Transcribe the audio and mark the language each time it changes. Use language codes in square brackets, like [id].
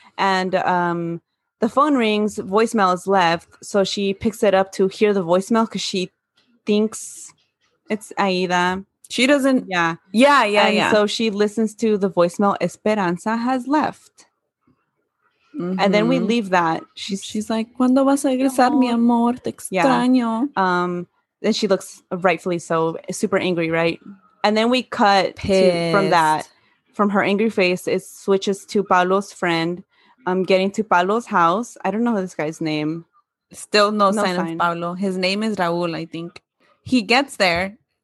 [en] And, the phone rings, voicemail is left, so she picks it up to hear the voicemail because she thinks it's Aida. She doesn't. Yeah. Yeah, yeah, and yeah. So she listens to the voicemail, Esperanza has left. Mm-hmm. And then we leave that. She's like, [es] ¿Cuándo vas a regresar, mi amor? Te extraño. [en] Yeah. Then she looks rightfully so, super angry, right? And then we cut from that. From her angry face, it switches to Paolo's friend. I'm getting to Paolo's house. I don't know this guy's name. Still no sign of Paolo. His name is Raul, I think. He gets there.